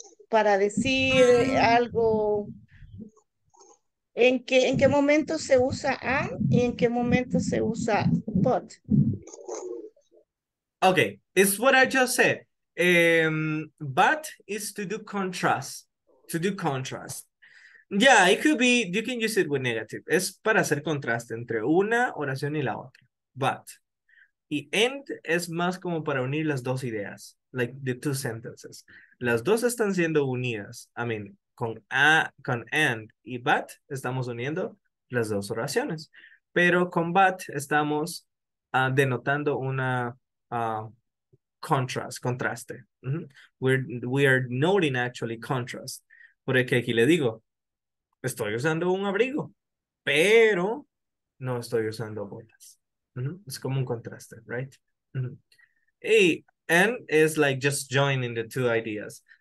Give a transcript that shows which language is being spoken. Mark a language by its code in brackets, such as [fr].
[es] Para decir algo. ¿En qué momento se usa and y en qué momento se usa but? [en] Okay, it's what I just said. But is to do contrast, to do contrast. Yeah, it could be, you can use it with negative. [es] Es para hacer contraste entre una oración y la otra. But. Y and es más como para unir las dos ideas, [en] like the two sentences. [es] Las dos están siendo unidas. [en] I mean, [es] con and y but estamos uniendo las dos oraciones. Pero con but estamos denotando una contraste. [en] Mm-hmm. We are noting actually contrast. [es] Porque aquí le digo, estoy usando un abrigo, pero no estoy usando botas. Mm-hmm. Es como un contraste, right? Mm-hmm. [en] And is like just joining the two ideas.